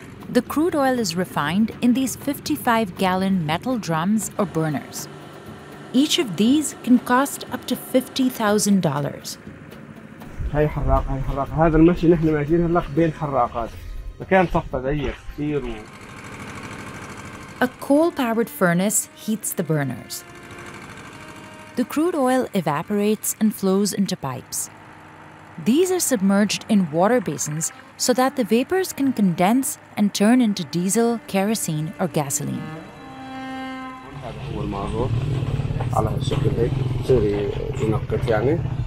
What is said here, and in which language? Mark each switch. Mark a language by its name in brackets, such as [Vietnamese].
[English] The crude oil is refined in these 55-gallon metal drums or burners. Each of these can cost up to $50,000. [Arabic] هاي حراق هاي حراق هذا المشي نحن ماشيين هلق بين حراقات مكان صفه ضيق كثير و... [English] A coal-powered furnace heats the burners. The crude oil evaporates and flows into pipes. These are submerged in water basins so that the vapors can condense and turn into diesel, kerosene or gasoline. [Arabic] هذا هو المازوت على هالشكل هيك بصير ينقط يعني